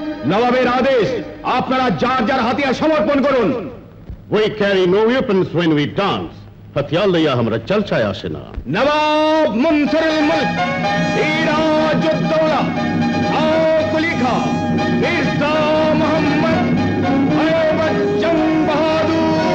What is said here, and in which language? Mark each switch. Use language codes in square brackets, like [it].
[bn] নবাবের আদেশ, আপনারা যার যার হাতিয়ার সমর্পণ করুন। [en] We carry no weapons when we dance. [bn] হাতিয়ার লইয়া আমরা চলছায় আসে না। নবাব মুনসিরুল মুলক সিরাজুদ্দৌলা আকুলিখা মির্জা মোহাম্মদ ভয়বচ্চম বাহাদুর।